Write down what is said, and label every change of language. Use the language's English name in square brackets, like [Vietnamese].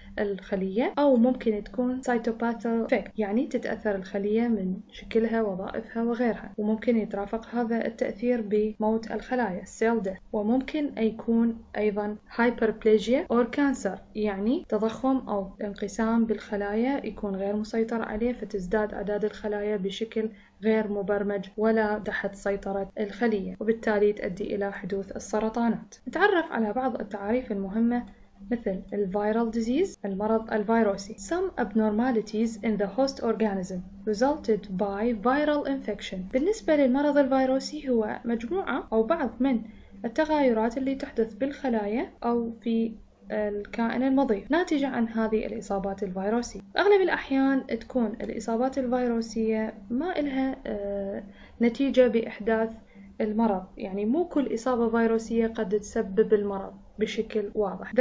[Arabic] الخلية، أو ممكن تكون cytopathic effect، يعني تتأثر الخلية من شكلها وظائفها وغيرها، وممكن يترافق هذا التأثير بموت الخلايا cell death، وممكن يكون أيضا [English] hyperplasia or cancer، [Arabic] يعني تضخم أو انقسام بالخلايا يكون غير مسيطر عليه فتزداد أعداد الخلايا بشكل غير مبرمج ولا تحت سيطرة الخلية، وبالتالي تؤدي إلى حدوث السرطانات. نتعرف على بعض التعاريف المهمة مثل الفيرال ديزيز، المرض الفيروسي. [English] Some abnormalities in the host organism resulted by viral infection. [Arabic] بالنسبة للمرض الفيروسي، هو مجموعة أو بعض من التغيرات اللي تحدث بالخلايا أو في الكائن المضيف ناتجة عن هذه الإصابات الفيروسية. أغلب الأحيان تكون الإصابات الفيروسية ما إلها نتيجة بإحداث المرض، يعني مو كل إصابة فيروسية قد تسبب المرض بشكل واضح.